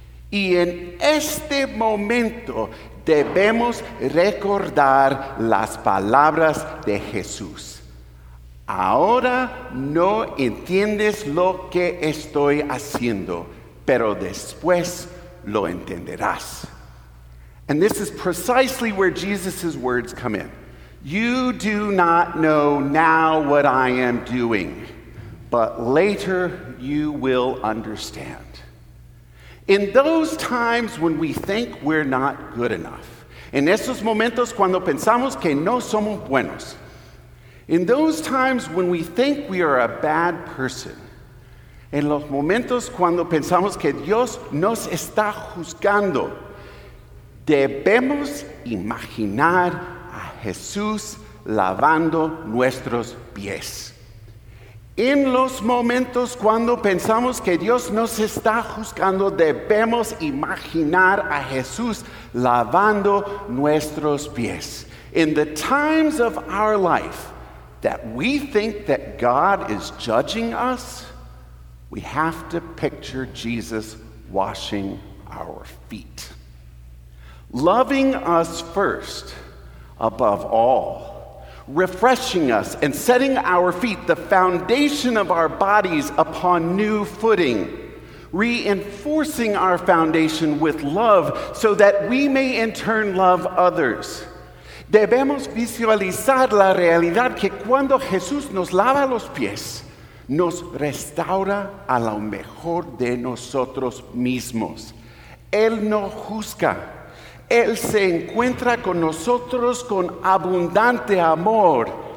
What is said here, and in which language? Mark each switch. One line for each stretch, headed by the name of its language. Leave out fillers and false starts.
Spanish: Y en este momento debemos recordar las palabras de Jesús. Ahora no entiendes lo que estoy haciendo, pero después lo entenderás.
English: And this is precisely where Jesus' words come in. You do not know now what I am doing, but later you will understand. In those times when we think we're not good enough,
Spanish: en esos momentos cuando pensamos que no somos buenos,
English: in those times when we think we are a bad person,
Spanish: en los momentos cuando pensamos que Dios nos está juzgando, debemos imaginar a Jesús lavando nuestros pies. En los momentos cuando pensamos que Dios nos está juzgando, debemos imaginar a Jesús lavando nuestros pies.
English: In the times of our life that we think that God is judging us, we have to picture Jesus washing our feet. Loving us first, above all, refreshing us and setting our feet, the foundation of our bodies, upon new footing, reinforcing our foundation with love so that we may in turn love others.
Spanish: Debemos visualizar la realidad que cuando Jesús nos lava los pies, nos restaura a lo mejor de nosotros mismos. Él no juzga. Él se encuentra con nosotros con abundante amor.